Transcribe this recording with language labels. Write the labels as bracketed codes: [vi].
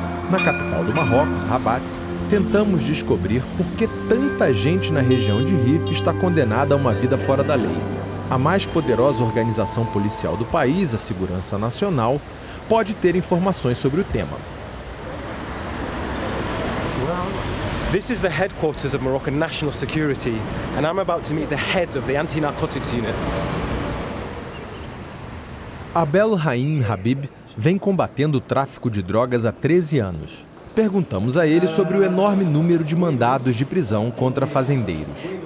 [pt] Na capital do Marrocos, Rabat, tentamos descobrir por que tanta gente na região de Rif está condenada a uma vida fora da lei. A mais poderosa organização policial do país, a Segurança Nacional, pode ter informações sobre o tema. [en] This is the headquarters of Moroccan National Security, and I'm about to meet the head of the Anti-Narcotics Unit. [pt] Abel Rahim Habib vem combatendo o tráfico de drogas há 13 anos. Perguntamos a ele sobre o enorme número de mandados de prisão contra fazendeiros.